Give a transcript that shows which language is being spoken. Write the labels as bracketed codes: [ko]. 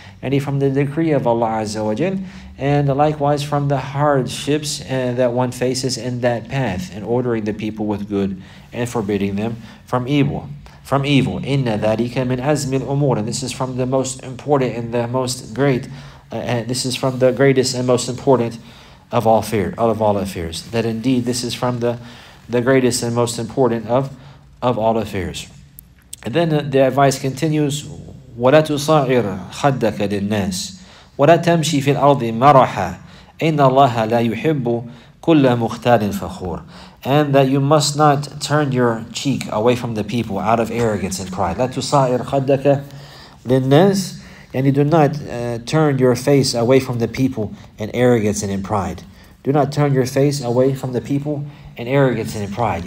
[en] And from the decree of Allah Azza wa Jal, and likewise from the hardships that one faces in that path, in ordering the people with good and forbidding them from evil. From evil. [ar] Inna dhalika min azmi al-umur. [en] And this is from the most important and the most great, and this is from the greatest and most important of all fear, out of all affairs. That indeed this is from the greatest and most important of all affairs. And then the advice continues, [ar] وَلَا تُصَعِرْ خَدَّكَ لِلنَّاسِ وَلَا تَمْشِي فِي الْأَرْضِ مَرَحَا إِنَّ اللَّهَ لَا يُحِبُّ كُلَّ مُخْتَالٍ فَخُورٍ. [en] And that you must not turn your cheek away from the people out of arrogance and pride. [ar] لَا تُصَعِرْ خَدَّكَ لِلنَّاسِ. [en] And you do not turn your face away from the people in arrogance and in pride. Do not turn your face away from the people in arrogance and in pride.